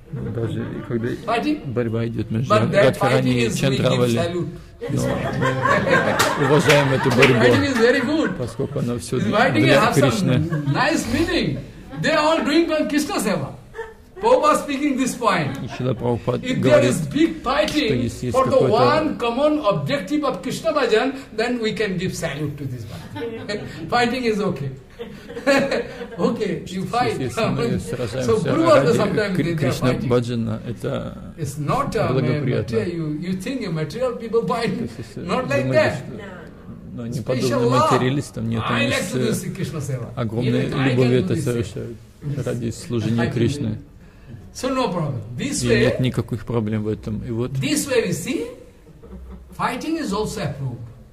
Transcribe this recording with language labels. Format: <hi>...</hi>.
<ru>Даже когда борьба идет между Радхарани и Чандравали, но мы уважаем эту борьбу, поскольку она все для Кришны.</ru> <en>Nice meaning. They are all doing by Krishna Seva. Попа speaking this point.</en> <ru>И Шрила Прабхупада говорит, что если есть какой-то...</ru> <en>If there is big fighting for the one common objective of Krishna Bhajan, then we can give salute to this one. Fighting is okay. Okay, you fight. So, Guru Bhajan sometimes Krishna Bhajan, it's not a material. You think a material people fight. Not like that.</en> <ru>Но они подобны материалистам, нет, они с огромной любовью это совершают ради служения Кришны.</ru> <en>So no problem. This</en> <ru>и</ru> <en>way,</en> <ru>нет никаких проблем в этом. И вот.</ru> <en>This way we see, fighting is also approved.</en>